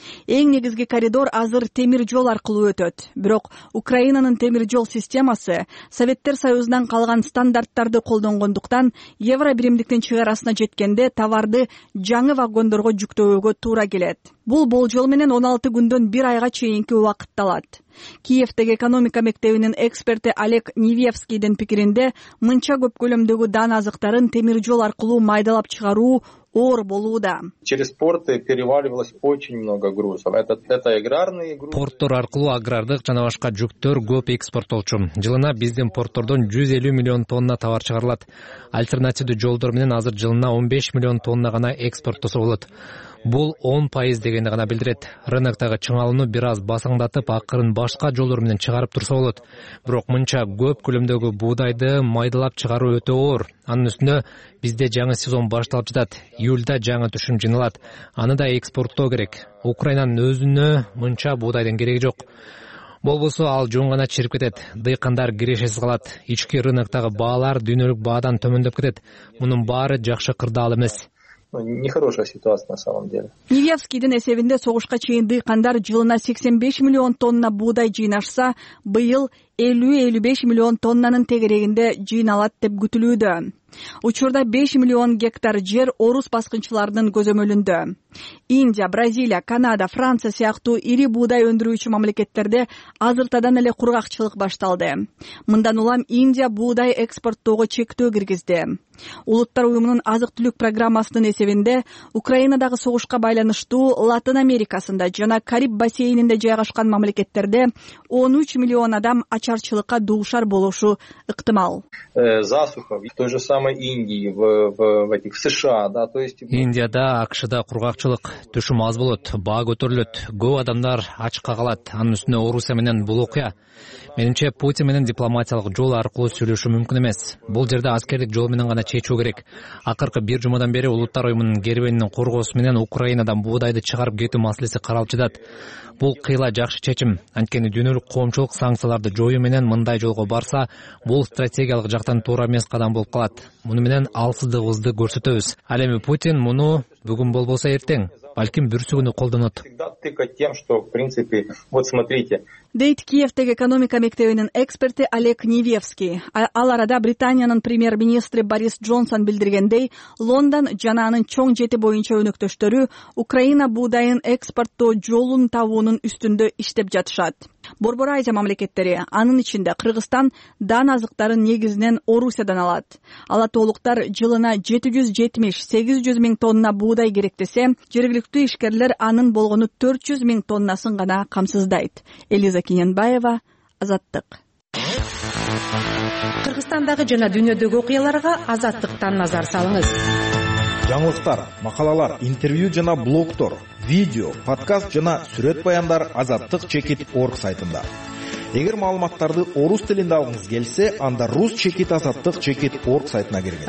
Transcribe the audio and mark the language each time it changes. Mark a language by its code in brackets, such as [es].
[ky] Эң негизги коридор азыр темир жол аркылуу өтөт. Бирок Украинанын темир жол системасы Советтер Союзунан калган стандарттарды колдонгондуктан Евробиримдиктин чыгарасына жеткенде товарды жаңы вагондорго жүктөөгө туура келет. Бул болжол менен 16 күндөн 1 айга чейинки убакытта алат. Киевдеги экономика мектебинин эксперти Олег Невьевскийдин пикиринде мынча көп көлөмдөгү дан азыктарын темир жол аркылуу майдалап чыгаруу оор болууда. [ru] Через порты переваливалось очень много грузов. Это аграрные грузы. [ky] Порттор аркылуу агрардык жана башка жүктөр көп экспортолчу. Жылына биздин порттордон 150 миллион тонна товар чыгарылат. Альтернативдүү жолдор менен азыр жылына 15 миллион тонна гана экспорттосо болот. Бул 10% дегенди гана билдирет. Рынктагы чыңалууну бир аз басаңдатып, акырын башка жолдор менен чыгарып турса болот. Бирок мынча көп көлөмдөгү буудайды майдалап чыгаруу өтө оор. Анын үстүнө бизде жаңы сезон башталып жатат. Июлда жаңы түшүм жыйналат. Аны да экспорттоо керек. Украинанын өзүнө мынча буудайдын кереги жок. Болбосо ал жөн гана чирип кетет. Дыйкандар кирешесиз калат. Ички рынктагы баалар дүйнөлүк баадан төмөндөп кетет. Мунун баары жакшы кырдаал эмес. [ru] нехорошая ситуация на самом деле. [ky] Невьевскийдин эсебинде согушка чейин дыйкандар жылына 85 миллион тонна буудай жыйнашса, быйыл 50-55 миллион тоннанын тегерегинде жыйналат деп күтүлүүдө. Учурда 5 миллион гектар жер орус баскынчыларынын көзөмөлүндө. Индия, Бразилия, Канада, Франция сыяктуу ири буудай өндүрүүчү мамлекеттерде азыртадан эле кургакчылык башталды. Мындан улам Индия буудай экспорттоого чектөө киргизди. Улуттар уюмунун азык-түлүк программасынын эсебинде Украинадагы согушка байланыштуу Латын Америкасында жана Кариб бассейнинде жайгашкан мамлекеттерде 13 миллион адам ачарчылыкка дуушар болушу ыктымал. [ru] Засуха в той же самой Индии, в этих США, да, то есть [ky] Индияда, АКШда кургакчылык түшүм аз болот, баа көтөрүлөт, көп адамдар ачка калат, анын үстүнө Орусия менен бул окуя. Менимче Путин менен дипломатиялык жол аркылуу сүйлөшү мүмкүн эмес. Бул жерде аскердик жол менен гана чечүү керек. Акыркы бир жумадан бери улуттар уюмунун керуенинин коргоосу менен Украинадан буудайды чыгарып кетүү маселеси каралып жатат. Бул кыйла жакшы чечим, анткени дүйнөлүк коомчулук санкцияларды жоюу менен мындай жолго барса, бул стратегиялык жактан туура эмес кадам болуп калат. Муну менен алсыздыгыбызды көрсөтөбүз. Ал эми Путин муну бүгүн болбосо эртең, балким бүрсү күнү колдонот. Дейт Киевтеги экономика мектебинин эксперти Олег Невьевский. Ал арада Британиянын премьер-министри Борис Джонсон билдиргендей, Лондон жана анын чоң жети боюнча өнөктөштөрү Украина буудайын экспорттоо жолун табуунун үстүндө иштеп жатышат. Борбор Азия мамлекеттери, анын ичинде Кыргызстан дан азыктарын негизинен Орусиядан алат. Ала толуктар жылына 770-800 миң тонна буудай керек десе, жергиликтүү ишкерлер анын болгону 400 миң тоннасын гана камсыздайт. Элиза Кененбаева, Азаттык. Кыргызстандагы жана дүйнөдөгү окуяларга Азаттыктан назар салыңыз. Жаңылыктар, макалалар, интервью жана блогдор, видео, подкаст жана сүрөт баяндар азаттык чекит орг сайтында. Эгер маалыматтарды орус тилинде алгыңыз келсе, анда рус чекит азаттык чекит орг сайтына кириңиз.